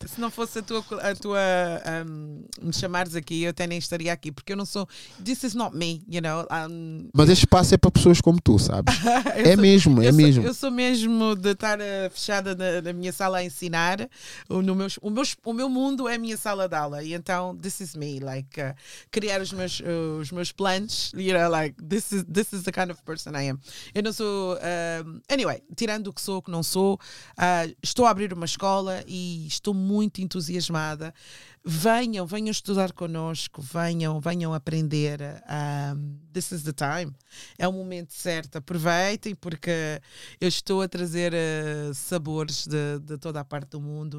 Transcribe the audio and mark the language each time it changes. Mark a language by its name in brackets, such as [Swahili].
[Portuguese] Se não fosse a tua me chamares aqui, eu até nem estaria aqui, porque eu não sou. [English] This is not me, you know. [Portuguese] Mas este espaço é para pessoas como tu, sabes? é mesmo. Eu sou mesmo de estar fechada na minha sala a ensinar. O meu mundo é a minha sala de aula. E então, [English] this is me, like, [Portuguese] criar os meus planos, [English] you know, like, this is the kind of person I am. [Portuguese] Eu não sou, anyway, tirando o que sou, o que não sou, estou a abrir uma escola e estou muito entusiasmada. Venham estudar connosco, venham aprender. [English] This is the time. [Portuguese] É o momento certo. Aproveitem, porque eu estou a trazer sabores de toda a parte do mundo.